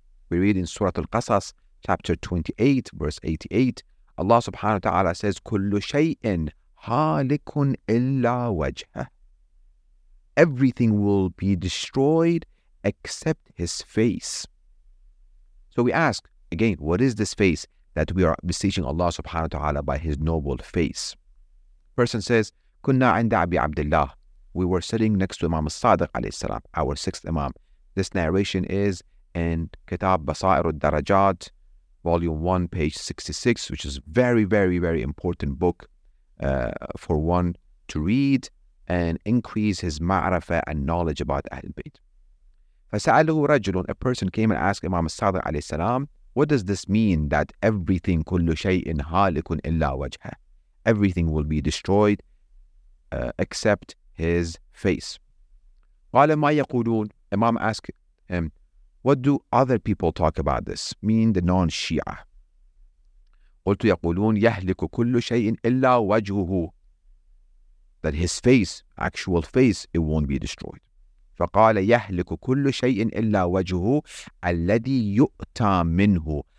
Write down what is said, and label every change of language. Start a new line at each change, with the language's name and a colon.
English: We read in Surah Al-Qasas, chapter 28, verse 88, Allah subhanahu wa ta'ala says,
Arabic: كُلُّ شَيْءٍ هَالِكٌ إِلَّا وَجْهَ.
English: Everything will be destroyed except his face. So we ask, again, what is this face that we are beseeching Allah subhanahu wa ta'ala by his noble face? Person says,
Arabic: كنا عند أبي عبد الله.
English: We were sitting next to Imam al-Sadiq alayhi salam, our sixth Imam. This narration is in Kitab Basair al-Darajat, volume 1, page 66, which is very, very, very important book for one to read and increase his ma'rafah and knowledge about Ahl Bayt.
Arabic: فسأله رجل,
English: a person came and asked Imam al-Sadiq alayhi salam, what does this mean that everything
Arabic: كل شيء هالك إلا وجهه?
English: Everything will be destroyed except his face.
Arabic: قال ما يقولون,
English: Imam asked him, what do other people talk about this? Meaning the non-Shia.
Arabic: قلت يقولون يهلك كل شيء إلا وجهه.
English: That his face, actual face, it won't be destroyed.
Arabic: فقال يهلك كل شيء إلا وجهه الذي يؤتى منه.